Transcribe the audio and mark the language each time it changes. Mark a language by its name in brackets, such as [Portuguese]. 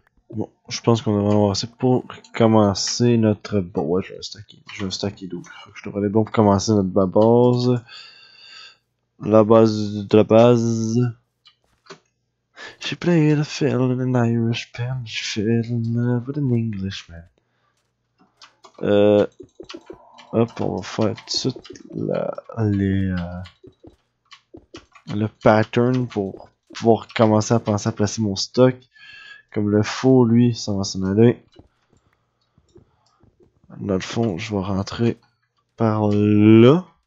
[French] Bon, je pense qu'on devrait avoir assez pour commencer notre. Bon, ouais, je vais stacker double. Je devrais aller bon pour commencer notre base. La base de la base. [English] She played a fiddle in an Irish band. She fell in love with an Englishman. [French] Hop, on va faire tout de suite le pattern pour pouvoir commencer à penser à placer mon stock. Comme le faux, lui, ça va s'en aller. Dans le fond, je vais rentrer par là.